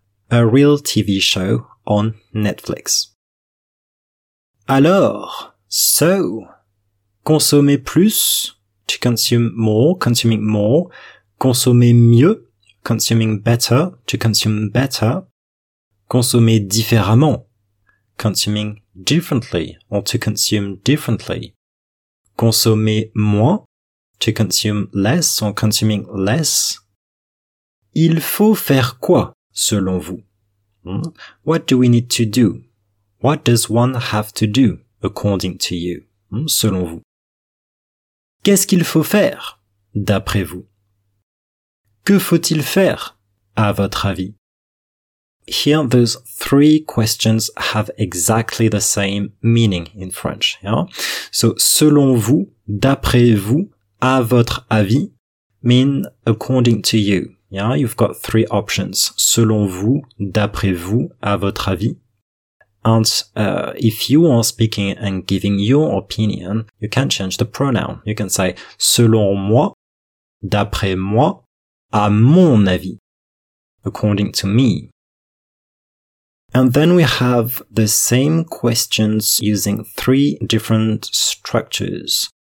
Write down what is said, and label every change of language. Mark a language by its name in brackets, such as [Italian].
[English] A real TV show on Netflix. Alors, so, [French] consommer plus, [English] to consuming more, [French] consommer mieux, [English] consuming better, to consume better, [French] consommer différemment, [English] consuming differently, or to consume differently. [French] Consommer moins, [English] to consume less, or consuming less. [French] Il faut faire quoi, selon vous? [English] What do we need to do? What does one have to do, according to you, [French] selon vous? Qu'est-ce qu'il faut faire, d'après vous? Que faut-il faire, à votre avis? [English] Here, those three questions have exactly the same meaning in French. Yeah? So, [French] selon vous, d'après vous, à votre avis, [English] mean according to you. Yeah? You've got three options. [French] Selon vous, d'après vous, à votre avis. [English] And if you are speaking and giving your opinion, you can change the pronoun. You can say, [French] selon moi, d'après moi, à mon avis, [English] according to me. And then we have the same questions using three different structures.